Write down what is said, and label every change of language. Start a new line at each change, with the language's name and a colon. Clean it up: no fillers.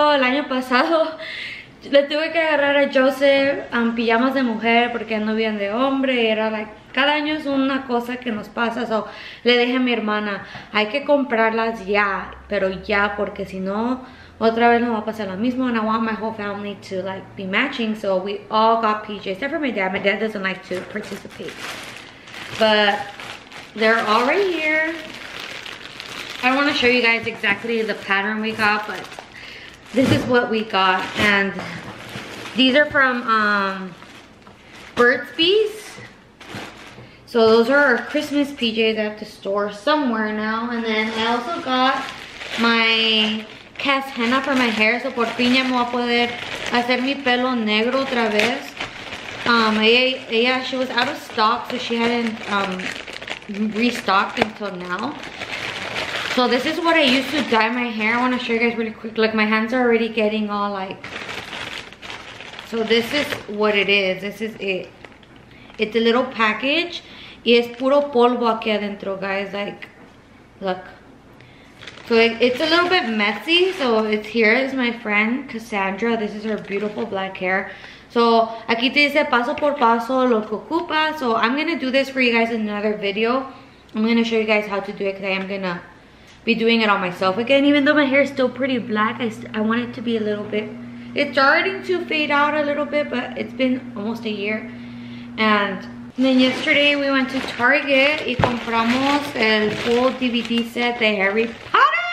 Spanish: El año pasado le tuve que agarrar a Joseph pijamas de mujer porque no habían de hombre. Era like, cada año es una cosa que nos pasa. So, le dije a mi hermana, hay que comprarlas ya, pero ya, porque si no, otra vez nos va a pasar lo mismo.
English: And I want my whole family to like be matching. So we all got PJs, except for my dad doesn't like to participate. But they're all right here. I want to show you guys exactly the pattern we got, but this is what we got. And these are from Burt's Bees. So those are our Christmas PJs at the store somewhere now. And then I also got my cast henna for my hair.
Spanish: So por fin ya me voy a poder hacer mi pelo negro otra vez.
English: Ella, she was out of stock, so she hadn't restocked until now. So this is what I used to dye my hair. I want to show you guys really quick. Look, my hands are already getting all like... So this is what it is. This is it. It's a little package.
Spanish: Y es puro polvo aquí adentro,
English: guys. Like, look. So it's a little bit messy. So it's here is my friend, Cassandra. This is her beautiful black hair.
Spanish: So aquí te dice paso por paso lo que ocupa.
English: So I'm going to do this for you guys in another video. I'm going to show you guys how to do it because I am going to be doing it on myself again. Even though my hair is still pretty black, I want it to be a little bit, it's starting to fade out a little bit, but it's been almost a year. And then yesterday we went to Target
Spanish: y compramos el
English: full DVD set de Harry Potter.